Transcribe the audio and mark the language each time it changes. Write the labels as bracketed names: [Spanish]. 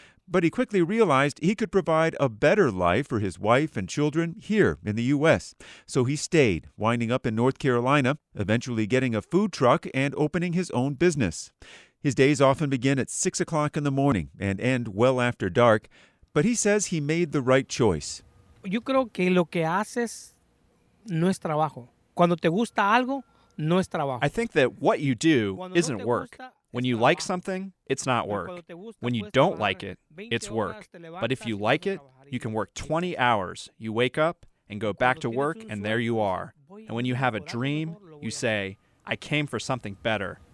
[English] But he quickly realized he could provide a better life for his wife and children here in the U.S. So he stayed, winding up in North Carolina, eventually getting a food truck and opening his own business. His days often begin at 6 o'clock in the morning and end well after dark, but he says he made the right choice. [Spanish] Yo creo que lo que haces no es trabajo. Cuando te gusta algo, no es trabajo. [English] I think that what you do isn't work. When you like something, it's not work. When you don't like it, it's work. But if you like it, you can work 20 hours. You wake up and go back to work, and there you are. And when you have a dream, you say, I came for something better.